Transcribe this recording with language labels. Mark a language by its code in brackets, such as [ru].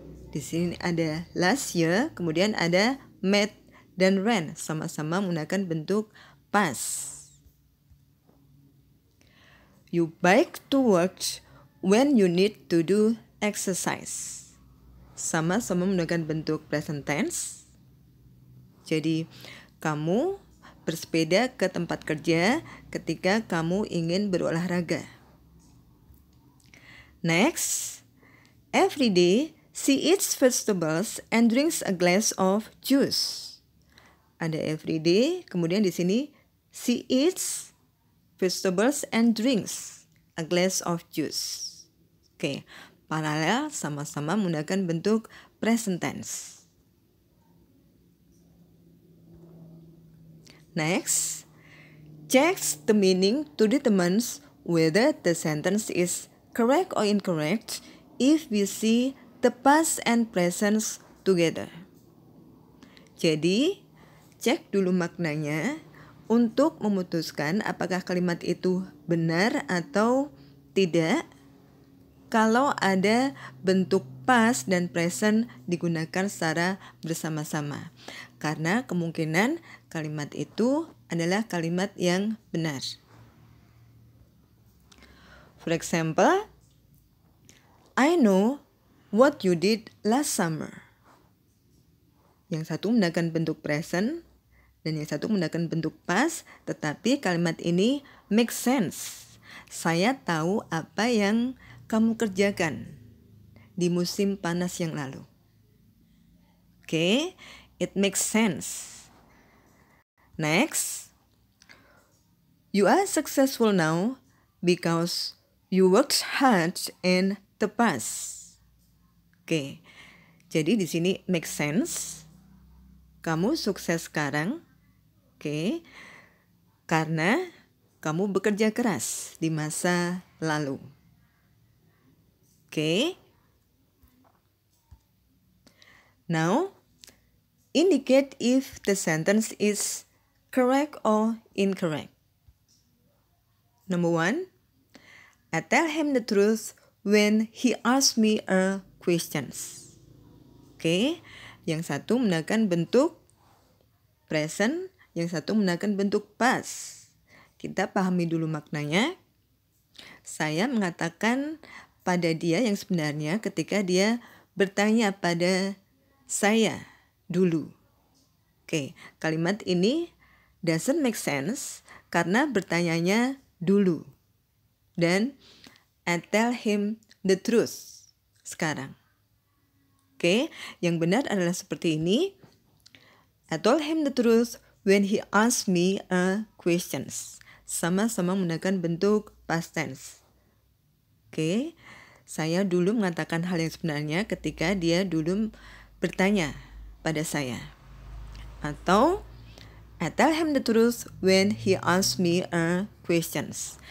[id] Di sini ada [en] last year, [id] kemudian ada met dan ran. Sama-sama menggunakan bentuk past. [en] You bike to work when you need to do exercise. [id] Sama-sama menggunakan bentuk present tense. Jadi, kamu bersepeda ke tempat kerja ketika kamu ingin berolahraga. [en] Next, every day she eats vegetables and drinks a glass of juice. [id] Ada [en] every day, [id] kemudian di sini [en] she eats vegetables and drinks a glass of juice. [id] Oke, paralel sama-sama menggunakan bentuk present tense. [en] Next, checks the meaning to determine whether the sentence is correct or incorrect if we see the past and present together. [id] Jadi, cek dulu maknanya untuk memutuskan apakah kalimat itu benar atau tidak. kalau ada bentuk past dan present digunakan secara bersama-sama. Karena kemungkinan kalimat itu adalah kalimat yang benar. [en] For example, I know what you did last summer. [id] Yang satu menggunakan bentuk present dan yang satu menggunakan bentuk past, tetapi kalimat ini [en] make sense. [id] Saya tahu apa yang kamu kerjakan di musim panas yang lalu. [en] Oke, okay? It makes sense. Next, you are successful now because you worked hard in the past. [id] Oke, jadi di sini [en] make sense. [id] Kamu sukses sekarang, oke, karena kamu bekerja keras di masa lalu. Oke. [en] Now, indicate if the sentence is correct or incorrect. Number one, I tell him the truth when he asks me a questions. [id] Oke, yang satu menggunakan bentuk present, yang satu menggunakan bentuk past. Kita pahami dulu maknanya. Saya mengatakan pada dia yang sebenarnya ketika dia bertanya pada saya dulu. Oke, kalimat ini [en] doesn't make sense [id] karena bertanyanya dulu. Dan [en] I tell him the truth [id] sekarang. Oke, yang benar adalah seperti ini. [en] I told him the truth when he asked me a questions. [id] Sama-sama menggunakan bentuk past tense. Oke, saya dulu mengatakan hal yang sebenarnya ketika dia dulu bertanya pada saya. Atau, [en] I tell him the truth when he asked me a questions.